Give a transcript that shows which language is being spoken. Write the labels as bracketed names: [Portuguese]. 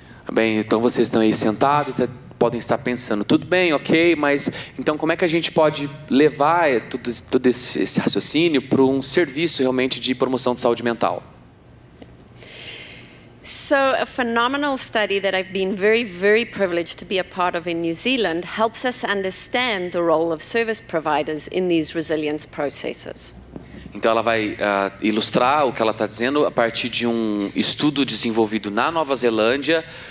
[Portuguese] Bem, então vocês estão aí sentados, podem estar pensando, tudo bem, ok, mas então como é que a gente pode levar todo esse raciocínio para um serviço realmente de promoção de saúde mental? [English] So, a phenomenal study that I've been very, very privileged to be a part of in New Zealand helps us understand the role of service providers in these resilience processes. [Portuguese] Então ela vai ilustrar o que ela está dizendo a partir de um estudo desenvolvido na Nova Zelândia.